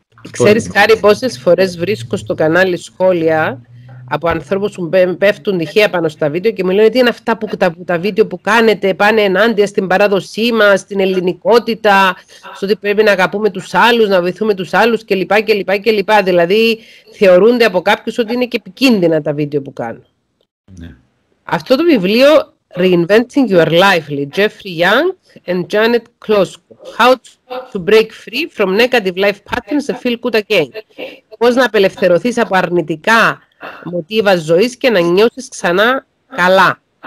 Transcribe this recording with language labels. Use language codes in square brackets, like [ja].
[el] Ξέρεις, Χάρη, πόσες φορές βρίσκω στο κανάλι σχόλια από ανθρώπους που πέφτουν τυχαία πάνω στα βίντεο και μου λένε τι είναι αυτά που τα βίντεο που κάνετε, πάνε ενάντια στην παράδοσή μας, στην ελληνικότητα, στο ότι πρέπει να αγαπούμε τους άλλους, να βοηθούμε τους άλλους κλπ. Δηλαδή θεωρούνται από κάποιους ότι είναι και επικίνδυνα τα βίντεο που κάνουν. Ναι. Αυτό το βιβλίο, Reinventing Your Life, λέει Jeffrey Young and Janet Klosko. [en] How to break free from negative life patterns and feel good again. [el] Πώς να απελευθερωθείς από αρνητικά μοτίβα ζωής και να νιώσεις ξανά καλά.